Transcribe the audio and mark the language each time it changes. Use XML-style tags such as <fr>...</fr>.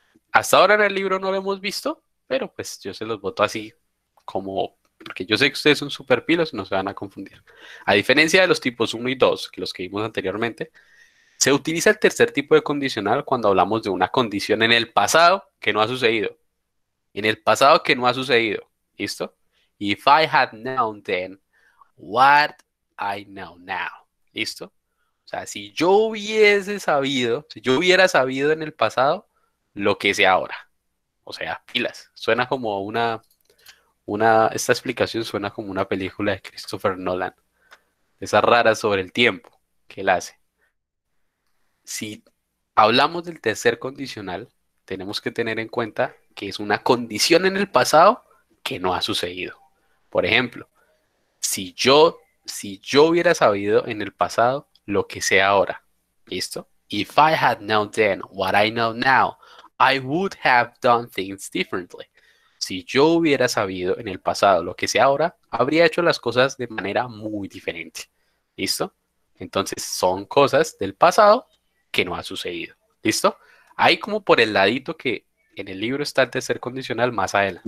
<es>Hasta ahora en el libro no lo hemos visto, pero pues yo se los boto así, como porque yo sé que ustedes son súper pilos y no se van a confundir. A diferencia de los tipos 1 y 2, que los que vimos anteriormente, se utiliza el tercer tipo de condicional cuando hablamos de una condición en el pasado que no ha sucedido. En el pasado que no ha sucedido, ¿listo?</es> <en>If I had known then, what I know now,</en> <es>¿listo? O sea, si yo hubiese sabido, si yo hubiera sabido en el pasado, lo que sea ahora. O sea, pilas. Suena como esta explicación suena como una película de Christopher Nolan. Esa rara sobre el tiempo que él hace. Si hablamos del tercer condicional, tenemos que tener en cuenta que es una condición en el pasado que no ha sucedido. Por ejemplo, si yo hubiera sabido en el pasado lo que sea ahora. ¿Listo?</es> <en>If I had known then what I know now, I would have done things differently.</en> <es>Si yo hubiera sabido en el pasado lo que sé ahora, habría hecho las cosas de manera muy diferente. ¿Listo? Entonces son cosas del pasado que no ha sucedido. ¿Listo? Ahí como por el ladito que en el libro está el tercer condicional más adelante.</es>